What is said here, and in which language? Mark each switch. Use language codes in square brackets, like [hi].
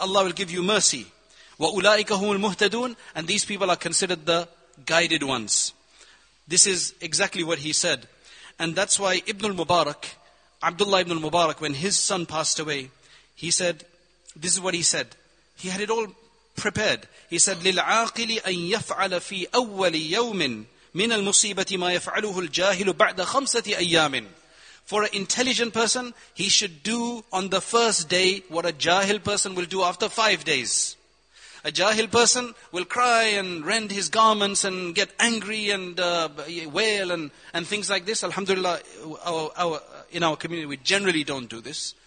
[en] Allah will give you mercy. [ar] Wa ulaika humul muhtadun. [en] And these people are considered the guided ones. This is exactly what he said. And that's why Ibn al-Mubarak, Abdullah ibn al-Mubarak, when his son passed away, he said, this is what he said. He had it all prepared. He said, [ar] لِلْعَاقِلِ أَن يَفْعَلَ فِي أَوَّلِ يَوْمٍ مِنَ الْمُصِيبَةِ مَا يَفْعَلُهُ الْجَاهِلُ بَعْدَ خَمْسَةِ أَيَّامٍ. [en] For an intelligent person, he should do on the first day what a jahil person will do after 5 days. A jahil person will cry and rend his garments and get angry and wail and things like this. Alhamdulillah, in our community, we generally don't do this.